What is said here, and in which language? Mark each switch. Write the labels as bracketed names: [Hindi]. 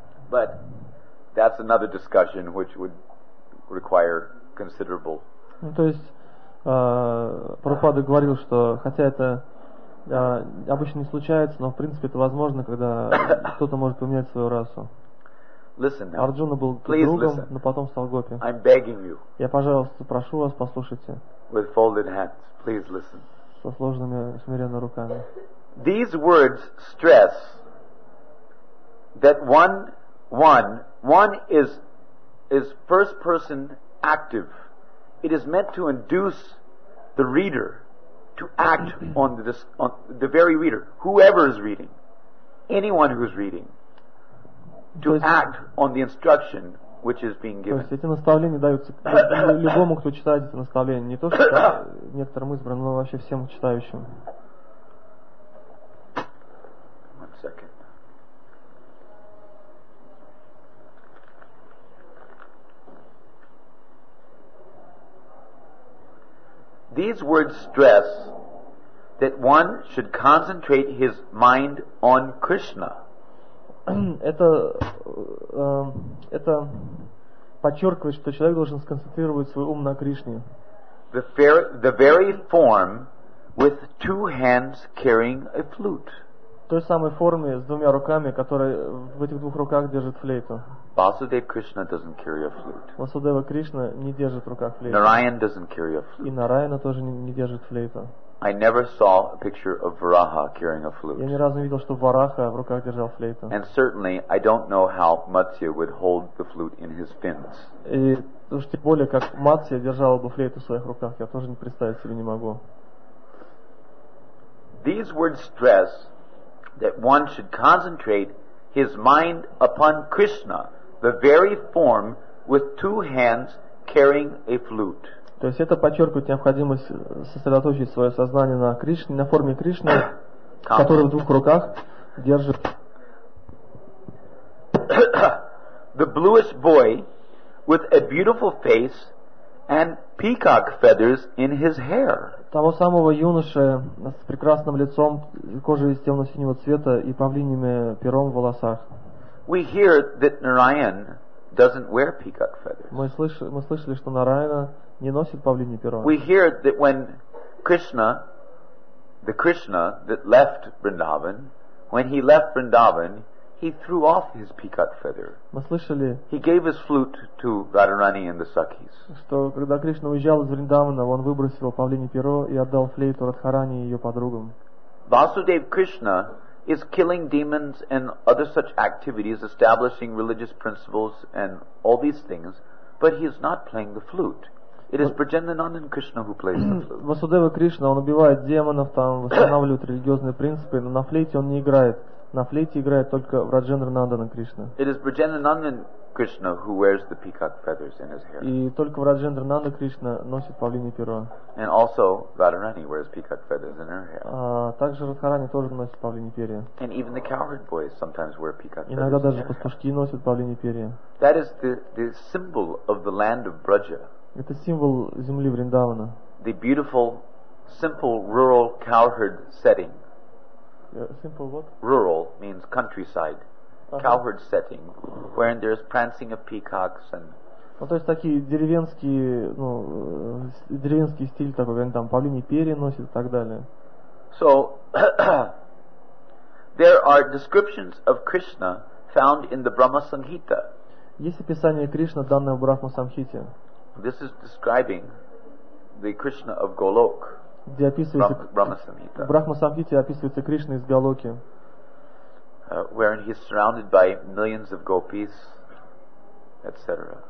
[English] But that's another discussion which would require considerable. [Russian] Ну, то есть Прабхупада говорил, что хотя это обычно не случается, но в принципе это возможно, когда кто-то может поменять свою расу. [English] Listen now. [Russian] Арджуна был [English] Please [Russian] другом, [English] listen. [Russian] Но потом стал гопи. [English] I'm begging you. [Russian] Я, пожалуйста, прошу вас, послушайте. [English] With folded hands. Please listen. [Russian] Со сложенными смиренно руками. [English] These words stress that one is first person active. It is meant to induce the reader to act on the very reader, whoever is reading, anyone who is reading, to act on the instruction which is being given. [Russian] То есть эти наставления даются любому, кто читает эти наставления, не то что некоторым избранным, но вообще всем читающим. [English] These words stress that one should concentrate his mind on Krishna. [Russian] Это подчеркивает, что человек должен сконцентрировать свой ум на Кришне. [English] The very form with two hands carrying a flute. [Russian] Той самой форме с двумя руками, которая в этих двух руках держит флейту. [English] Vasudeva Krishna doesn't carry a flute. [Russian] Vasudeva Krishna не держит в руках флейту. [English] Narayana doesn't carry a flute. [Russian] И Нараяна тоже не держит флейту. [English] I never saw a picture of Varaha carrying a flute. [Russian] Я ни разу не видел, чтобы Вараха в руках держал флейту. [English] And certainly I don't know how Matsya would hold the flute in his fins. [Russian] И уж тем более, как Матсья держала бы флейту в своих руках, я тоже не представить себе не могу. [English] These words stress that one should concentrate his mind upon Krishna, the very form with two hands carrying a flute. [Russian] То есть это подчеркивает необходимость сосредоточить свое сознание на Кришне, на форме Кришны, который в двух руках держит. [English] The bluish boy with a beautiful face and peacock feathers in his hair. [Russian] Того самого юноши с прекрасным лицом, кожей из темно-синего цвета и павлиньими пером в волосах. [English] We hear that Narayan doesn't wear peacock feathers. [Russian] Мы слышали, что Нараяна не носит павлинье перо. [English] We hear that when Krishna, the Krishna that left Vrindavan, when he left Vrindavan, he threw off his peacock feather. [Russian] Мы слышали. [English] He gave his flute to Radharani and the Sakis. [Russian] Что когда Кришна уезжал из Вриндавана, он выбросил павлинье перо и отдал флейту Радхарани и ее подругам. [English] Vasudev Krishna is killing demons and other such activities, establishing religious principles and all these things, but he is not playing the flute. It is Brajendananda and Krishna who plays the flute. [Russian] Vasudeva Krishna, он убивает демонов, там восстанавливает религиозные принципы, но на флейте он не играет. На флейте играет только Враджендранандана Кришна. [English] It is Brajendananda and Krishna who wears the peacock feathers in his hair. [Russian] И только Враджендранандана Кришна носит павлинье перо. [English] And also Radharani wears peacock feathers in her hair. [Russian] Также Радхарани тоже носит павлинье перо. [English] And even the cowherd boys sometimes wear peacock feathers. [Russian] Иногда даже пастушки носят павлинье перо. [English] That is the symbol of the land of Braja. [Russian] Это символ земли Вриндавана. [English] The beautiful, simple rural cowherd setting. Simple what? Rural means countryside. Cowherd setting, wherein there is prancing of peacocks and. [Russian] Ну то есть такие деревенский стиль такой, когда там павлини перья носят и так далее. [English] So there are descriptions of Krishna found in the Brahma Samhita. [Russian] Есть описание Кришны, данное в Брахма Самхите. [English] This is describing the Krishna of Golok. [Russian] Где описывается Брахма Самхита. Брахма Самхите описывается Кришна из Галоки. [English] Wherein he is surrounded by millions of gopis, etc.